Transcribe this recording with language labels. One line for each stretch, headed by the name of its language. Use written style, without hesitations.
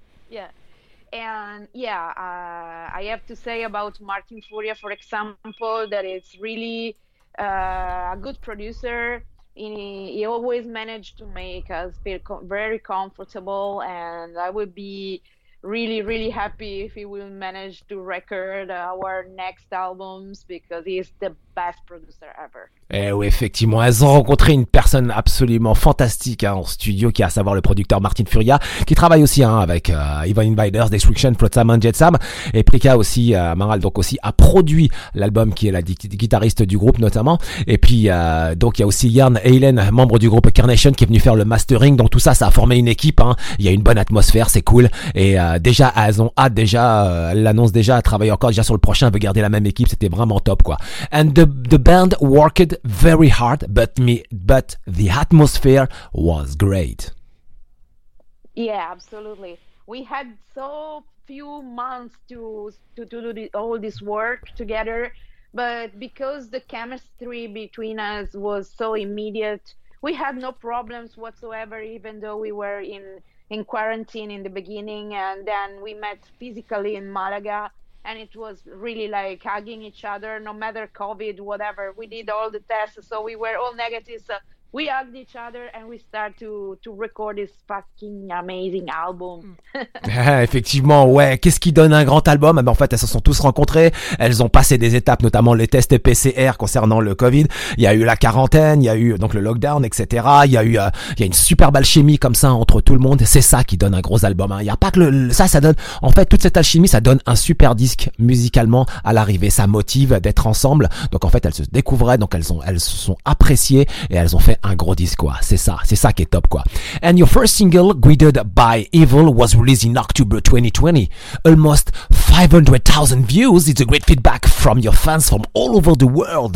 English: Yeah, I have to say about Martin Furia, for example, that it's really a good producer. He always managed to make us feel very comfortable, and I would be really, really happy if he will manage to record our next albums because he is the best producer ever.
French: Eh oui, effectivement, elles ont rencontré une personne absolument fantastique hein, en studio, qui est à savoir le producteur Martin Furia, qui travaille aussi hein, avec Ivan Invaders, Destruction, Flotsam and Jetsam, et Prika aussi, Maral donc aussi, a produit l'album qui est la guitariste du groupe notamment, et puis donc il y a aussi Jan Halen, membre du groupe Carnation, qui est venu faire le mastering, donc tout ça, ça a formé une équipe, hein. Il y a une bonne atmosphère, c'est cool, et déjà, elles ont hâte, déjà, elles l'annoncent déjà, elles travaillent encore déjà sur le prochain, elles veulent garder la même équipe, c'était vraiment top, quoi.
English: And the band worked very hard, but the atmosphere was great. Yeah, absolutely. We had so few months to do all this work together, but because the chemistry between us was so immediate, we had no problems whatsoever, even though we were in quarantine in the beginning, and then we met physically in Malaga. And it was really like hugging each other, no matter COVID, whatever. We did all the tests, so we were all negative. So we hugged each other and we start to record this fucking amazing album.
French: Effectivement, ouais. Qu'est-ce qui donne un grand album? En fait, elles se sont tous rencontrées. Elles ont passé des étapes, notamment les tests PCR concernant le COVID. Il y a eu la quarantaine, il y a eu donc le lockdown, etc. Il y a une superbe alchimie comme ça entre tout le monde. C'est ça qui donne un gros album. Hein. Il y a pas que ça donne, en fait, toute cette alchimie, ça donne un super disque musicalement à l'arrivée. Ça motive d'être ensemble. Donc, en fait, elles se découvraient. Donc, elles se sont appréciées et elles ont fait un gros disque, quoi. C'est ça qui est top, quoi.
English: And your first single, Guided by Evil, was released in October 2020. Almost 500,000 views. It's a great feedback from your fans from all over the world.